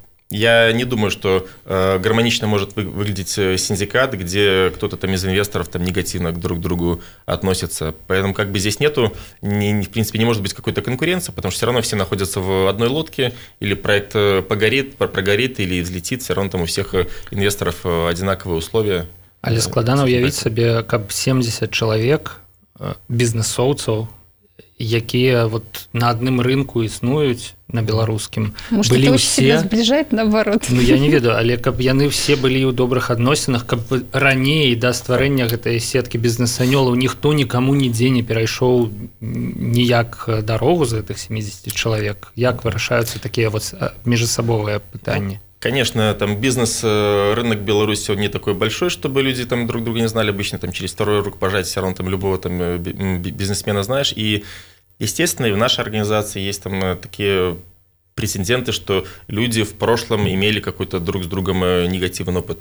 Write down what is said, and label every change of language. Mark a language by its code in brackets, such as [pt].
[ru] Я не думаю, что гармонично может выглядеть синдикат, где кто-то там из инвесторов там негативно друг к другу относится. Поэтому как бы здесь нету, в принципе, не может быть какой-то конкуренции, потому что все равно все находятся в одной лодке, или проект погорит, прогорит или взлетит, все равно там у всех инвесторов одинаковые условия. [be] Але складана уявіць сабе, каб 70 чалавек бізнэсоўцаў, якія вот на адным рынку існуюць на беларускім, былі ўсе збліжаць [ru] наоборот. [be] Ну я не ведаю, але каб яны ўсе былі ў добрых адносінах, каб раней да стварэння гэтай сеткі бізнэс-анёлаў ніхто нікому нідзе не перайшоў ніяк дарогу з гэтых 70 чалавек. Як вырашаюцца такія вот міжасабовыя пытанні? [ru] Конечно, там бизнес, рынок Беларуси, он не такой большой, чтобы люди там друг друга не знали. Обычно там через вторую руку пожать, все равно там любого там бизнесмена знаешь. И, естественно, и в нашей организации есть там такие прецеденты, что люди в прошлом имели какой-то друг с другом негативный опыт.